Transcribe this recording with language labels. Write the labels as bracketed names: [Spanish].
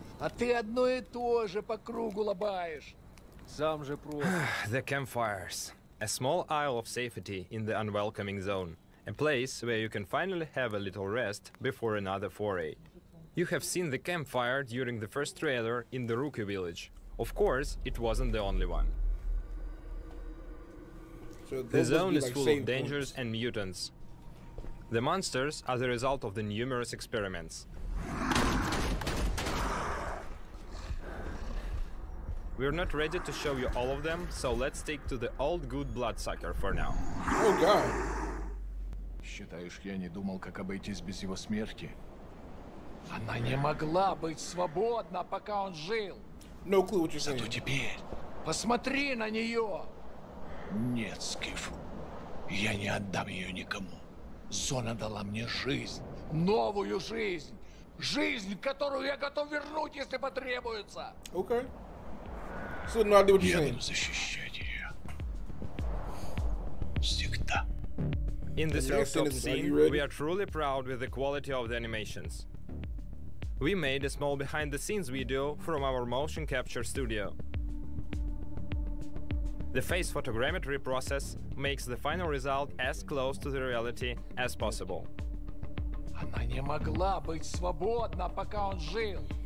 [Russian] А ты одно и то же по кругу лобаешь. Сам же просто. [English] The campfires. A small isle of safety in the unwelcoming zone. A place where you can finally have a little rest before another foray. You have seen the campfire during the first trailer in the Rookie Village. Of course, it wasn't the only one. So the zone is full like of dangers points. And mutants. The monsters are the result of the numerous experiments. We're not ready to show you all of them, so let's stick to the old good bloodsucker for now. Oh god. [Russian] Считаешь, я не думал, как обойтись без его смерти? Она не могла быть свободна, пока он жил. [English] No clue what you're saying. [Russian] Зато теперь посмотри на неё. Нет, Скиф. Я не отдам её никому. Зона дала мне жизнь, новую жизнь. Жизнь, которую я готов вернуть, если потребуется. [English] Okay. So not do what you're [Russian] saying. Я буду защищать ее. Всегда. [English] In this rooftop scene, we are truly proud with the quality of the animations. We made a small behind-the-scenes video from our motion capture studio. The face photogrammetry process makes the final result as close to the reality as possible. [Russian] Она не могла быть свободна, пока он жил.